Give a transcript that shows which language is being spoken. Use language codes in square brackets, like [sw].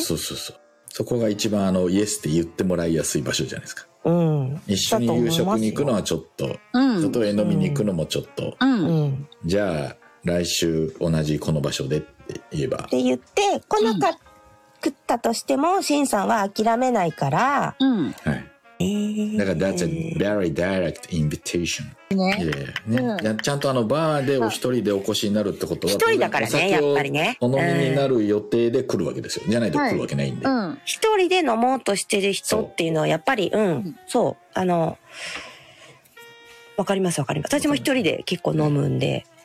[ja] そうそうそう、そこが一番あのイエスって言ってもらいやすい場所じゃないですか、うん、一緒に夕食に行くのはちょっと、うん、外へ飲みに行くのもちょっと、うん、じゃあ来週同じこの場所でって言えばって言って来なかったとしても、うん、シンさんは諦めないから、うん、はい、だから [en] That's a very direct invitation、 [ja] ね、 [en] yeah. [ja] ね、ちゃんとあのバーでお一人でお越しになるってことは一人だからね、やっぱりね、お飲みになる予定で来るわけですよ、じゃないと来るわけないんで、一人で飲もうとしてる人っていうのはやっぱり、うん、そう、あの、わかります、わかります、私も一人で結構飲むんで、